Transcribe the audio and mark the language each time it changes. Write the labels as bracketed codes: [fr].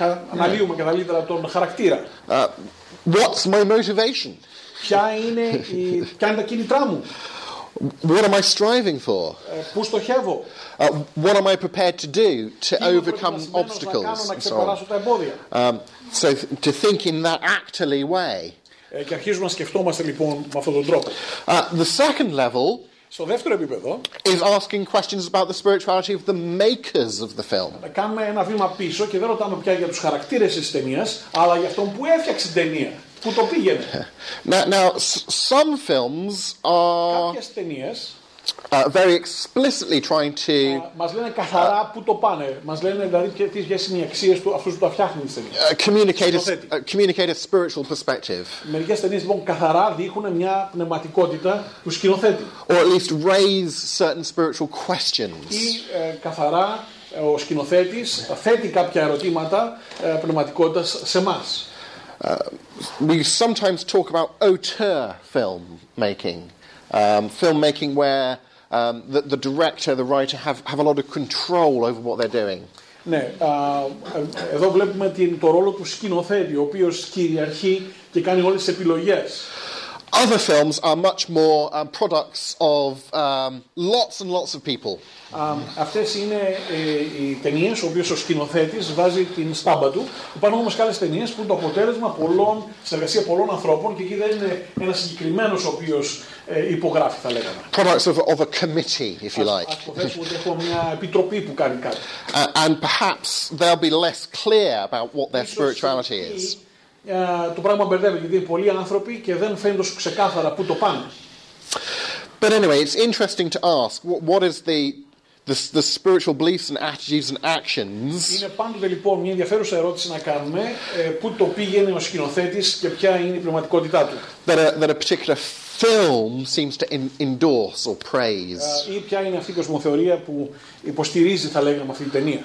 [el] Αναλύουμε καταλύτερα τον χαρακτήρα. [en] What's my motivation? [el] Ποια είναι τα κίνητρά μου? [en] What am I striving for? [el] Πού στοχεύω? [en] What am I prepared to do to overcome obstacles? So to think in that actorly way. [el] Και αρχίζουμε να σκεφτόμαστε λοιπόν με αυτόν τον τρόπο. [en] The second level. [el] Στο δεύτερο επίπεδο, [en] is asking questions about the spirituality of the makers of the film. [el] Κάνουμε ένα βήμα πίσω και δεν ρωτάμε πια για τους χαρακτήρες της ταινίας, αλλά για αυτόν που έφτιαξε την ταινία. Πού το πήγαινε. [en] Now some films are very explicitly trying to [el] μας λένε καθαρά πού το πάνε. Μας λένε δηλαδή τι είναι οι αξίες του αυτούς που τα φτιάχνουν στην ταινία. [en] Communicate a spiritual perspective. [el] Μερικές ταινίες λοιπόν καθαρά δείχνουν μια πνευματικότητα του σκηνοθέτη. [en] Or at least raise certain spiritual questions. [el] Ή καθαρά ο σκηνοθέτης θέτει κάποια ερωτήματα πνευματικότητας σε εμάς. [en] We sometimes talk about auteur filmmaking, filmmaking where the director, the writer have a lot of control over what they're doing. [el] Ναι, εδώ βλέπουμε το ρόλο του σκηνοθέτη, ο οποίος κυριαρχεί και κάνει όλες τις επιλογές. [en] Other films are much more products of lots and lots of people. [el] Αυτές είναι οι ταινίες όπου ο σκηνοθέτης βάζει την στάμπα του. Υπάρχουν όμως άλλες ταινίες που είναι το αποτέλεσμα πολλών συνεργασία πολλών ανθρώπων και εκεί δεν είναι ένας συγκεκριμένος ο οποίος υπογράφει, θα λέγαμε. [en] Products of a committee, if you like. [el] Ας πούμε ότι έχουμε μια επιτροπή που κάνει κάτι. [en] And perhaps they'll be less clear about what their spirituality is. [el] Το πράγμα μπερδεύει γιατί είναι πολλοί άνθρωποι και δεν φαίνεται τόσο ξεκάθαρα πού το πάνε. [en] But anyway, it's interesting to ask what is the spiritual beliefs and attitudes and actions. [el] Είναι πάντοτε λοιπόν μια ενδιαφέρουσα ερώτηση να κάνουμε πού το πήγαινε ο σκηνοθέτης και ποια είναι η πνευματικότητά του. [en] That a particular film seems to endorse or praise. [el] Ή ποια είναι αυτή η κοσμοθεωρία που υποστηρίζει, θα λέγαμε, αυτή την ταινία.